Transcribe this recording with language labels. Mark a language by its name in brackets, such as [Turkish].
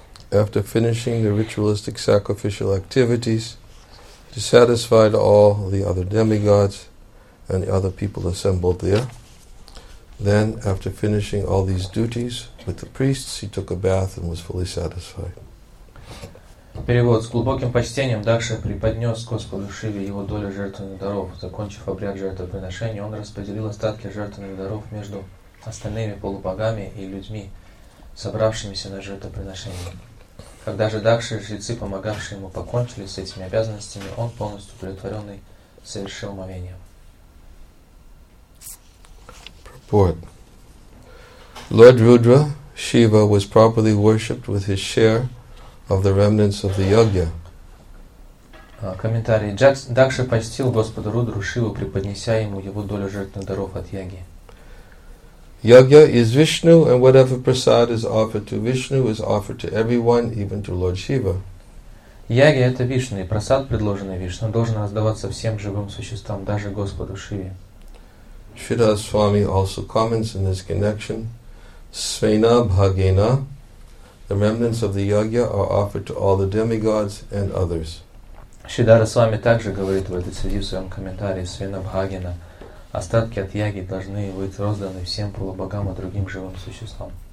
[English] After finishing the ritualistic sacrificial activities, he satisfied all the other demigods and the other people assembled there. Then, after finishing all these duties with the priests, he took a bath and was fully satisfied. [Russian] Перевод. С глубоким почтением Дакша преподнес Господу Шиве его долю жертвенных даров. Закончив обряд жертвоприношения, он распределил остатки жертвенных даров между остальными полубогами и людьми, собравшимися на жертвоприношение. Когда же Дакша и жрецы, помогавшие ему, покончили с этими обязанностями, он, полностью удовлетворенный, совершил омовение. [English] Purport. Lord Rudra, Shiva, was properly worshipped with his share of the remnants of the yajna. [Russian] Комментарий. Дакша почтил Господа Рудру Шиву, преподнеся ему его долю жертвенных даров от яги. [English] Yajna is Vishnu, and whatever prasad is offered to Vishnu is offered to everyone, even to Lord Shiva. [Russian] Yajna это Вишну, и прасад, предложенный Вишну, должен раздаваться всем живым существам, даже Господу Шиве. [English] Shridhar Swami also comments in this connection, Svena Bhagena, the remnants of the yajna are offered to all the demigods and others. [Russian] Shridhar Swami также говорит в этой связи в своем комментарии Svena Bhagena. Остатки от яги должны быть розданы всем полубогам и другим живым существам.